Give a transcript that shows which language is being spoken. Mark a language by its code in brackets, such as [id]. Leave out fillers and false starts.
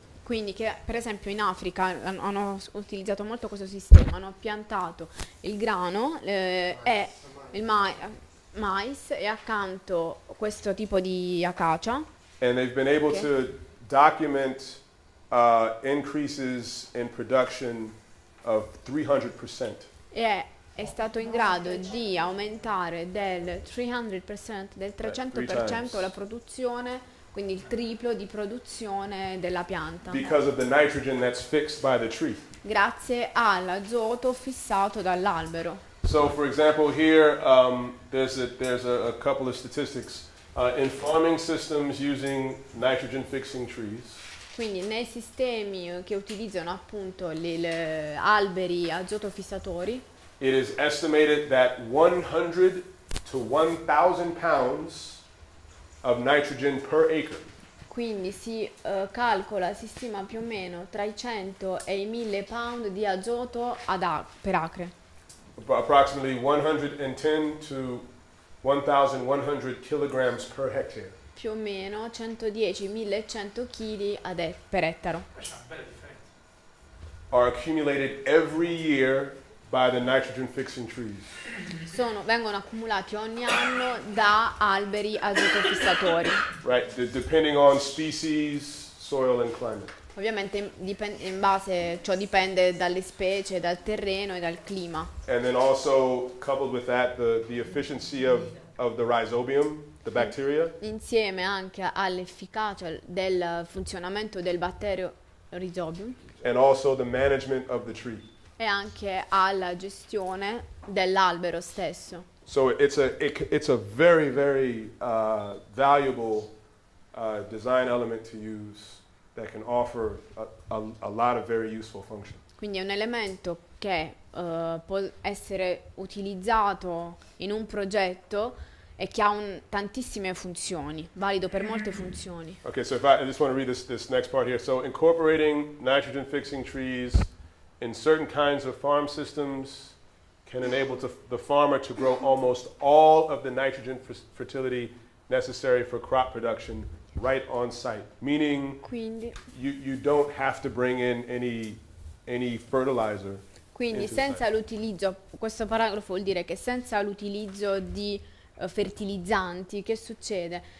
[it] Quindi che per esempio in Africa hanno utilizzato molto questo sistema, hanno piantato il grano mais e accanto questo tipo di acacia. [en] And they've been able to document increases in production of 300%. [it] È stato in grado di aumentare del 300% la produzione, quindi il triplo di produzione della pianta. [en] Because of the nitrogen that's fixed by the tree. [it] Grazie all'azoto fissato dall'albero. [en] So for example here there's a couple of statistics in farming systems using nitrogen fixing trees. [it] Quindi nei sistemi che utilizzano appunto gli alberi azoto fissatori. [en] It is estimated that 100 to 1000 pounds of nitrogen per acre. [it] Quindi si calcola, si stima più o meno tra i 100 e i 1000 pound di azoto per acre. [en] Approximately 110 to 1100 kilograms per hectare. [it] Più o meno 110-1100 kg per ettaro. [en] Are accumulated every year by the nitrogen fixing trees. [it] Vengono accumulati ogni anno da alberi azoto fissatori. [en] Right, depending on species, soil and climate. [it] Ovviamente ciò dipende dalle specie, dal terreno e dal clima. [en] And then also coupled with that the efficiency of the rhizobium, the bacteria. [it] Insieme anche all'efficacia del funzionamento del batterio rhizobium. [en] And also the management of the tree. [it] E anche alla gestione dell'albero stesso. [en] So it's a very very valuable design element to use that can offer a lot of very useful function. [it] Quindi è un elemento che può essere utilizzato in un progetto e che ha tantissime funzioni, valido per molte funzioni. [en] Okay, so I just want to read this next part here. So incorporating nitrogen fixing trees in certain kinds of farm systems can enable the farmer to grow almost all of the nitrogen fertility necessary for crop production right on site, meaning you don't have to bring in any fertilizer. [it] Quindi senza l'utilizzo, questo paragrafo vuol dire che senza l'utilizzo di fertilizzanti, che succede?